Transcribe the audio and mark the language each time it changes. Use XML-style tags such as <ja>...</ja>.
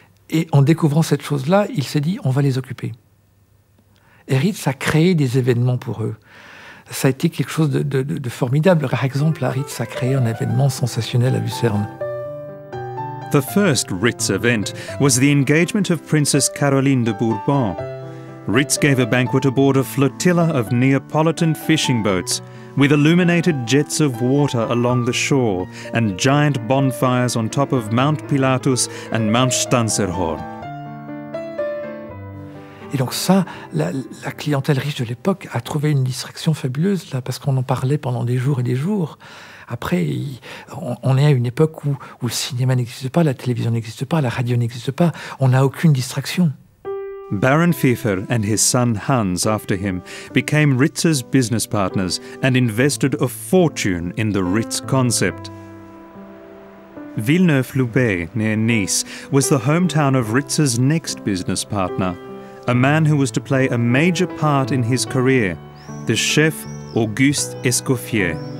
<fr>Et en découvrant cette chose-là, il s'est dit, on va les occuper. Et Ritz a créé des événements pour eux. Ça a été quelque chose de formidable. Par exemple, Ritz a créé un événement sensationnel à Lucerne.</fr> <en>The first Ritz event was the engagement of Princess Caroline de Bourbon. Ritz gave a banquet aboard a flotilla of Neapolitan fishing boats, with illuminated jets of water along the shore and giant bonfires on top of Mount Pilatus and Mount Stanzerhorn.</en> <fr>Et donc ça, la clientèle riche de l'époque a trouvé une distraction fabuleuse, là, parce qu'on en parlait pendant des jours et des jours. Après, on est à une époque où le cinéma n'existe pas, la télévision n'existe pas, la radio n'existe pas, on n'a aucune distraction.</fr> <en>Baron Pfeffer and his son Hans, after him, became Ritz's business partners and invested a fortune in the Ritz concept. Villeneuve-Loubet, near Nice, was the hometown of Ritz's next business partner, a man who was to play a major part in his career, the chef Auguste Escoffier.</en>